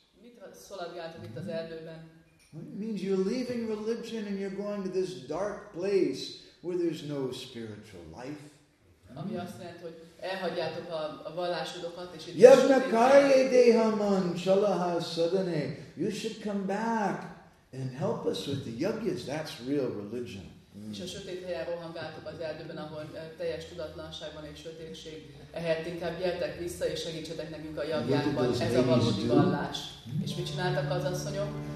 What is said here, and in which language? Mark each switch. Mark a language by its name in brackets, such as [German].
[Hungarian] Mit szaladgáltok itt az erdőben? [English] It means you're leaving religion and you're going to this dark place where there's no spiritual life. [Hungarian] ami azt jelenti, hogy elhagyjátok a vallásodokat, és itt [Sanskrit] Yabna kaye dehaman shalaha sadane. [English] You should come back and help us with the yagyas. That's real religion. [Hungarian] És a sötét helyen rohangáltok az erdőben, ahol teljes tudatlanságban és sötétség ehhez inkább gyertek vissza, és segítsetek nekünk a jagjákban. Ez a valódi vallás. És mit csináltak az asszonyok?